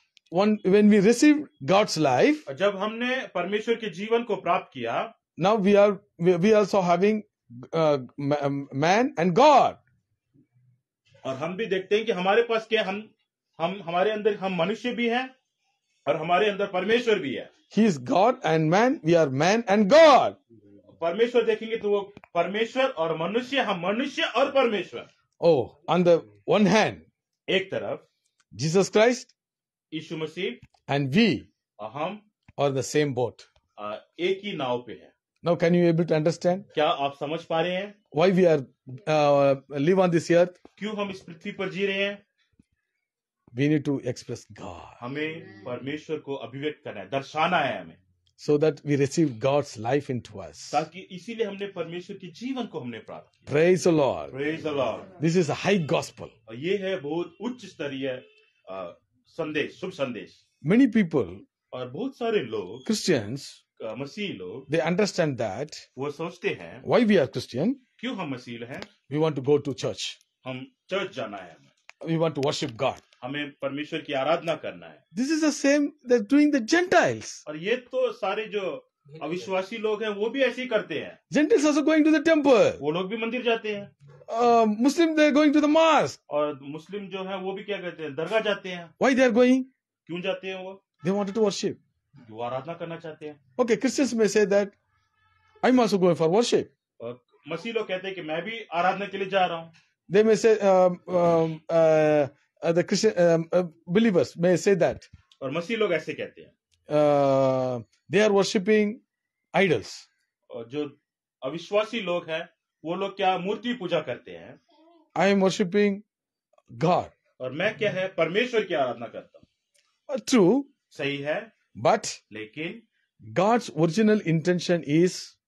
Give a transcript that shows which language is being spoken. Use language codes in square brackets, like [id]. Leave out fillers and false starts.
[en] When we received God's life, [hi] जब हमने परमेश्वर के जीवन को प्राप्त किया. [en] Now we also having man and God. [hi] और हम भी देखते हैं कि हमारे पास क्या, हम हमारे अंदर हम मनुष्य भी हैं और हमारे अंदर परमेश्वर भी है. [en] He is God and man. We are man and God. [hi] परमेश्वर देखेंगे तो वो परमेश्वर और मनुष्य, हम मनुष्य और परमेश्वर. [en] Oh, on the one hand, [hi] एक तरफ [en] Jesus Christ, [hi] Yeshu Masih, [en] and we, [hi] हम, [en] और the same boat, [hi] एक ही नाव पे है. [en] Now, can you able to understand? [hi] क्या आप समझ पा रहे हैं? [en] Why we are live on this earth? [hi] क्यों हम इस पृथ्वी पर जी रहे हैं? [en] We need to express God. [hi] हमें परमेश्वर को अभिव्यक्त करना है, दर्शाना है हमें. [en] So that we receive God's life into us. [hi] ताकि इसीलिए हमने परमेश्वर के जीवन को हमने प्राप्त किया. [en] Praise the Lord. Praise the Lord. This is a high gospel. [hi] ये है बहुत उच्च स्तरीय संदेश, शुभ संदेश. [en] Many people, [hi] और बहुत सारे लोग, [en] Christians, [hi] मसीही लोग, [en] they understand that, [hi] वो सोचते हैं, [en] why we are Christian? [hi] क्यों हम मसीही हैं? [en] We want to go to church. [hi] हम चर्च जाना है. [en] We want to worship God. [hi] हमें परमेश्वर की आराधना करना है. [en] This is the same that doing the gentiles. [hi] और ये तो सारे जो अविश्वासी लोग हैं वो भी ऐसे ही करते हैं. [en] Gentiles also going to the temple. [hi] वो लोग भी मंदिर जाते हैं. [en] Muslim they are going to the mosque. [hi] और मुस्लिम जो है वो भी क्या करते हैं? दरगाह जाते हैं. [en] Why they are going? [hi] क्यों जाते हैं वो? [en] They wanted to worship. [hi] वो आराधना करना चाहते हैं. [en] Okay, Christians may say that I am also going for worship. [hi] मसीही लोग कहते हैं कि मैं भी आराधना के लिए जा रहा हूँ. [en] They may say the Christian believers may say that. [hi] और मसीह लोग ऐसे कहते हैं. [en] They are worshipping idols. [hi] और जो अविश्वासी लोग हैं, वो लोग क्या मूर्ति पूजा करते हैं? [en] I am worshipping God. [hi] और मैं क्या है? परमेश्वर की आराधना करता हूँ. True. सही है. [en] But. [hi] लेकिन. [en] God's original intention is.